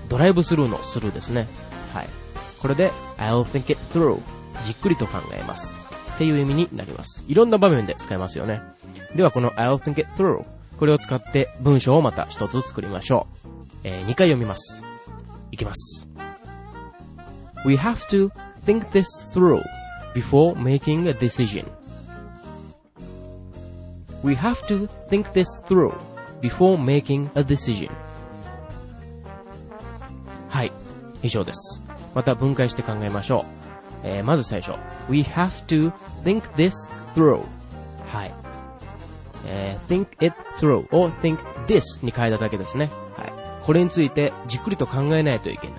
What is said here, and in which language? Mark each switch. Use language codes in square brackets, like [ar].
[ja] ドライブスルーのスルーですね。はい。これで、 [en] I'll think it through。 [ja] じっくりと考えます。っていう意味になります。いろんな場面で使えますよね。では、この [en] I'll think it through。 [ja] これを使って文章をまた一つ作りましょう。 2回読みます。いきます。 [en] We have to think this through before making a decision. We have to think this through before making a decision. [ja] はい、以上です。また分解して考えましょう。まず最初、 [en] We have to think this through. [ja] はい。 [en] Think it through or think this [ja] に変えただけですね。はい。これについてじっくりと考えないといけない。